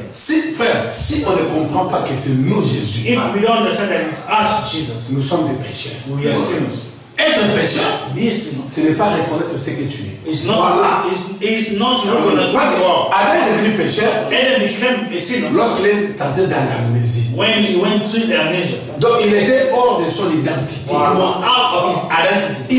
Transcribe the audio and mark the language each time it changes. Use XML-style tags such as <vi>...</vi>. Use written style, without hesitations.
<fr>Si, frère, si on ne comprend pas que c'est nous Jésus,</fr> <en>if we don't understand that it's us Jesus,</en> <fr>nous sommes des pécheurs.</fr> <en>We are sinners.</en> <fr>Être pécheur, ce n'est pas reconnaître ce que tu es.</fr> <en>Voilà. It's not recognizing.</en> <fr>Parce que Adam est devenu pécheur.</fr> <en>Adam became a sinner.</en> <fr>Lorsqu'il est tenté dans l'amnésie.</fr> <en>When he went to the amnesia.</en> <fr>Donc il était hors de son identité.</fr> <en>Voilà. Out of his identity.</en>